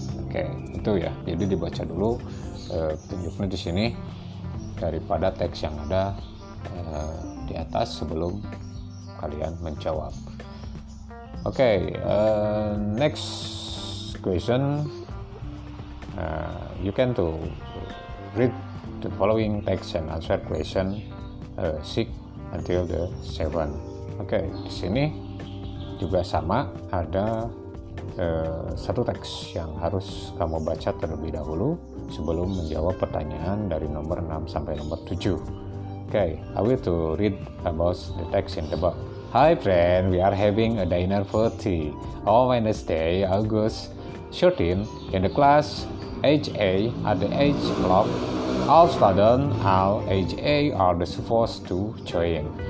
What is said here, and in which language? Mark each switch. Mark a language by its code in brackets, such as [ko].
[id] Okay, itu ya, jadi dibaca dulu petunjuknya di sini daripada teks yang ada di atas sebelum kalian menjawab. [en] Okay, next question. You can to read the following text and answer question 6 until the 7. [id] Okay, di sini juga sama, ada satu teks yang harus kamu baca terlebih dahulu sebelum menjawab pertanyaan dari nomor 6 sampai nomor 7. [en] Okay, I will to read about the text in the book. Hi friend, we are having a dinner for tea on Wednesday, August 13, in the class HA at the H block. All students, all HA are supposed to join.